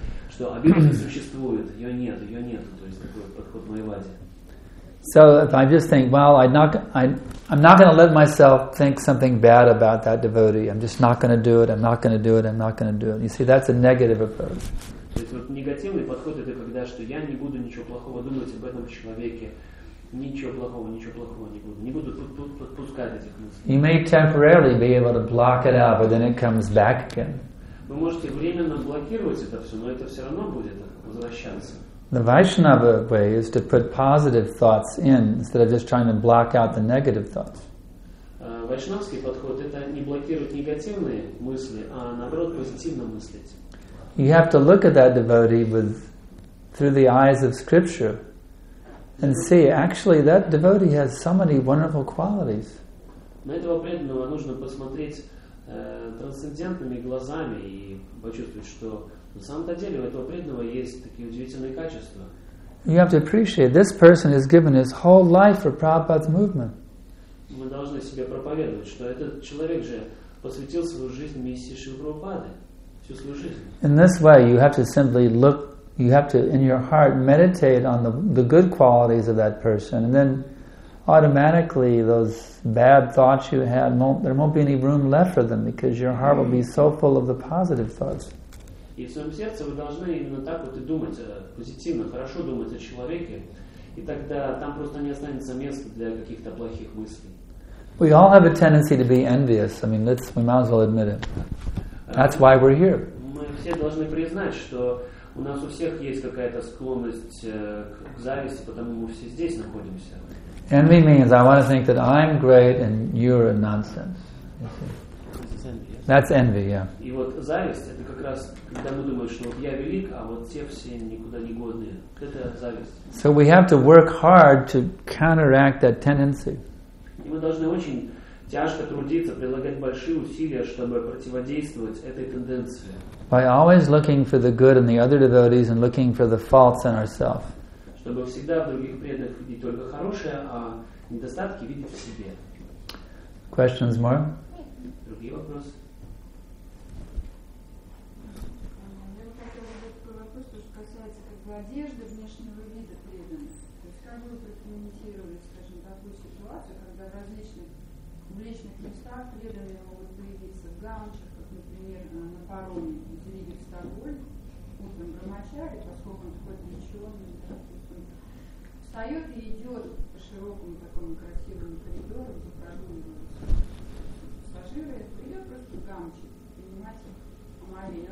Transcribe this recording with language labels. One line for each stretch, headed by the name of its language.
Russian: Что обида существует, ее нет, то есть такой подход Майявады.
English: So if I just think, well, I'm not going to let myself think something bad about that devotee. I'm just not going to do it. I'm not going to do it. I'm not going to do it. You see, that's a negative approach.
Russian: То есть вот негативный подход это когда что я не буду ничего плохого думать об этом человеке, ничего плохого не буду, не буду подпускать этих мыслей.
English: You may temporarily be able to block it out, but then it comes back again.
Russian: Вы можете временно блокировать это все, но это все равно будет возвращаться.
English: The Vaishnava way is to put positive thoughts in instead of just trying to block out the negative thoughts.
Russian: Вайшнавский подход это не блокировать негативные мысли, а наоборот позитивно мыслить.
English: You have to look at that devotee through the eyes of scripture and see actually that devotee has so many wonderful qualities.
Russian: На этого преданного нужно посмотреть трансцендентными глазами и почувствовать, что на самом-то деле у этого преданного есть такие удивительные качества.
English: You have to appreciate this person has given his whole life for Prabhupada's movement.
Russian: Мы должны себе проповедовать, что этот человек же посвятил свою жизнь миссии Шрилы Прабхупады, всю свою жизнь.
English: In this way, you have to simply look, you have to in your heart meditate on the good qualities of that person, and then automatically those bad thoughts you had, there won't be any room left for them because your heart will be so full of the positive thoughts.
Russian: И в своем сердце вы должны именно так вот и думать, позитивно, хорошо думать о человеке, и тогда там просто не останется места для каких-то плохих мыслей.
English: We all have a tendency to be envious. I mean, we might as well admit it. That's why we're here.
Russian: Мы все должны признать, что у нас у всех есть какая-то склонность к зависти, потому мы все здесь находимся.
English: Envy means I want to think that I'm great and you're a nonsense. You see? That's envy, yeah.
Russian: И вот зависть — это как раз когда мы думаем, что вот я велик, а вот те все никуда не годные. Это зависть.
English: So we have to work hard to counteract that tendency.
Russian: И мы должны очень тяжко трудиться, прилагать большие усилия, чтобы противодействовать этой тенденции.
English: By always looking for the good in the other devotees and looking for the faults in ourselves.
Russian: Чтобы всегда в других преданных видеть только хорошее, а недостатки видеть в себе.
English: Questions more?
Russian: Другие вопросы? Одежды внешнего вида преданных. То есть как вы прокомментировали, скажем, такую ситуацию, когда в различных публичных местах преданные могут появиться в гаунчах, как, например, на пароме из Риги в Стокгольм, утром брамачари, поскольку он такой плеченый, встает и идет по широкому такому красивому коридору, где прогуливаются пассажиры, придет просто в гаунчик принимать омовение.